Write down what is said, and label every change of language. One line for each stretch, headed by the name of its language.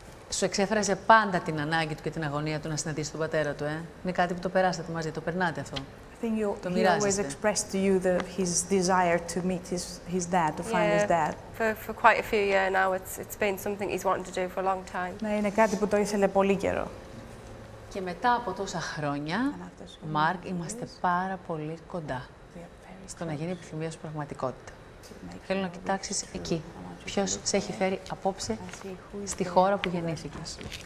Greek: Σου εξέφρασε πάντα την ανάγκη του και την αγωνία του να συναντήσει τον πατέρα του, ε? Είναι κάτι που το περάσατε μαζί, το περνάτε αυτό?
English: He always expressed to you his desire to meet his dad, to find his dad. For quite a few years now, it's been something he's wanted to do for a long time.
Greek: Ναι, είναι κάτι που το ήθελε πολύ καιρό. Και μετά από τόσα χρόνια, Μάρκ, είμαστε πάρα πολύ κοντά στο να γίνει επιθυμία σου πραγματικότητα. Θέλω να κοιτάξεις εκεί. Ποιος σε έχει φέρει απόψε στη χώρα που γεννήθηκες.